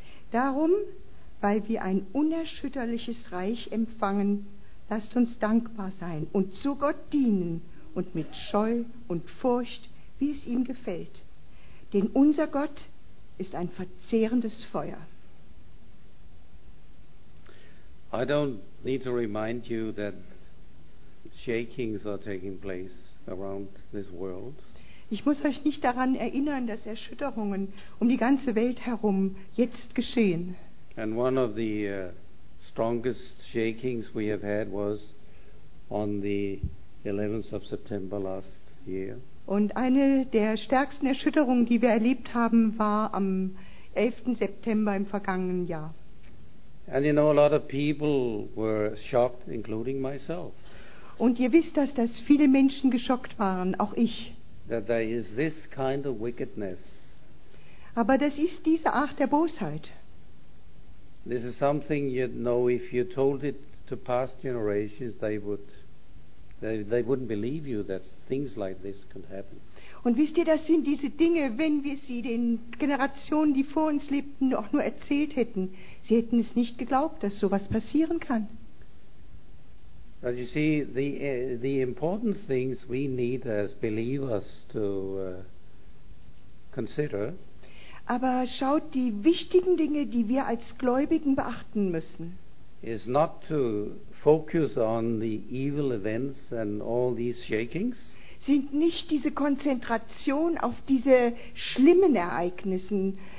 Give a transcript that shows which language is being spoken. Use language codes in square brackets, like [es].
[de] Darum, weil wir ein unerschütterliches Reich empfangen, lasst uns dankbar sein und zu Gott dienen und mit Scheu und Furcht, wie es ihm gefällt. Denn unser Gott ist ein verzehrendes Feuer. [en] I don't need to remind you that shakings are taking place around this world. [de] Ich muss euch nicht daran erinnern, dass Erschütterungen um die ganze Welt herum jetzt geschehen. [en] And one of the strongest shakings we have had was on the 11th of September last year. [de] Und eine der stärksten Erschütterungen, die wir erlebt haben, war am 11. September im vergangenen Jahr. [en] And you know, a lot of people were shocked, including myself. [de] Und ihr wisst, dass viele Menschen geschockt waren, auch ich. [en] That there is this kind of wickedness. [de] Aber das ist diese Art der Bosheit. [en] This is something, you know, if you told it to past generations, they wouldn't believe you that things like this could happen. [de] Und wisst ihr, das sind diese Dinge, wenn wir sie den Generationen, die vor uns lebten, auch nur erzählt hätten, sie hätten es nicht geglaubt, dass sowas passieren kann. [en] But you see, the important things we need as believers to consider. [de] Aber schaut, die wichtigen Dinge, die wir als Gläubigen beachten müssen, [en] is not to focus on the evil events and all these shakings, [de] sind nicht diese Konzentration auf diese schlimmen Ereignisse,